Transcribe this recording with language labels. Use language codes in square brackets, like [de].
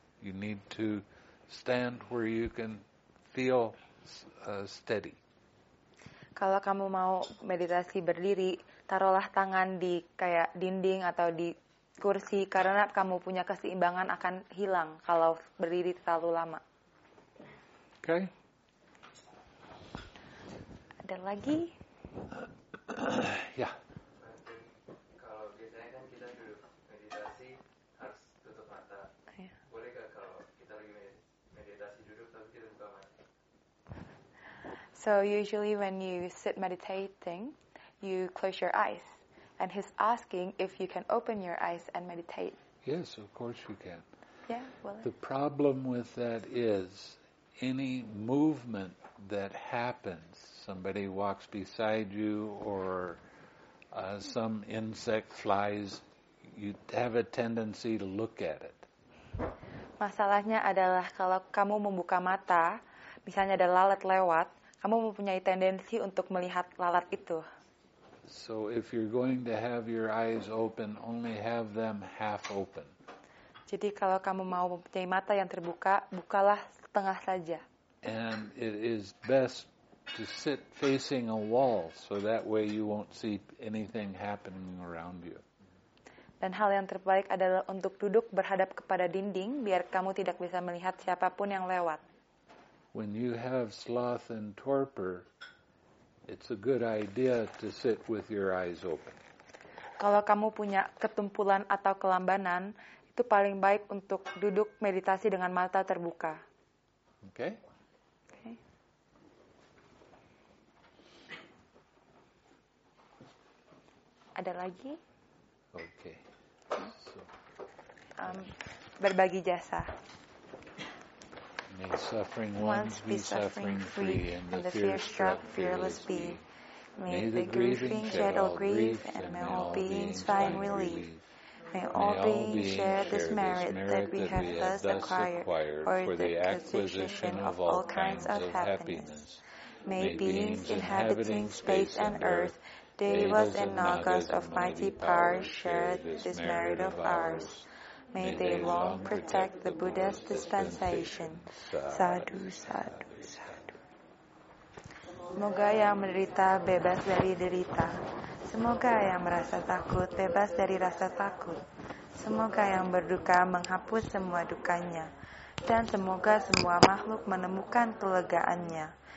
[en] You need to stand where you can feel steady. [id] Kalau kamu mau meditasi berdiri, taruhlah tangan di kayak dinding atau di kursi, karena kamu punya keseimbangan akan hilang kalau berdiri terlalu lama. [en] Okay. [id] Ada lagi? Ya. Kalau biasanya kan kita duduk meditasi harus tutup mata. Boleh gak kalau kita lagi meditasi duduk tapi kita buka mata? [en] So usually when you sit meditating, you close your eyes. And he's asking if you can open your eyes and meditate. Yes, of course you can. Yeah, well. The problem with that is any movement that happens, somebody walks beside you or some insect flies, you have a tendency to look at it. [id] Masalahnya adalah kalau kamu membuka mata, misalnya ada lalat lewat, kamu mempunyai tendensi untuk melihat lalat itu. [en] So if you're going to have your eyes open, only have them half open. [id] Jadi kalau kamu mau mempunyai mata yang terbuka, bukalah setengah saja. [en] And it is best to sit facing a wall so that way you won't see anything happening around you. [id] Dan hal yang terbaik adalah untuk duduk berhadap kepada dinding biar kamu tidak bisa melihat siapapun yang lewat. [en] When you have sloth and torpor, it's a good idea to sit with your eyes open. [id] Kalau kamu punya ketumpulan atau kelambanan, itu paling baik untuk duduk meditasi dengan mata terbuka. [en] Okay. [id] Ada lagi? [en] Okay. [id] Berbagi jasa. [en] May suffering ones be suffering free, and the fear struck fearless be. May the grieving shed all grief, and may all beings find relief. May all beings share this merit that we have thus acquired for the acquisition of all kinds of happiness. May beings inhabiting space and earth, devas and nagas of mighty power share this merit of ours. May they long protect the Buddha's dispensation. [pi] Sadhu, sadhu, sadhu. [id] Semoga yang menderita bebas dari derita. Semoga yang merasa takut bebas dari rasa takut. Semoga yang berduka menghapus semua dukanya. Dan semoga semua makhluk menemukan kelegaannya.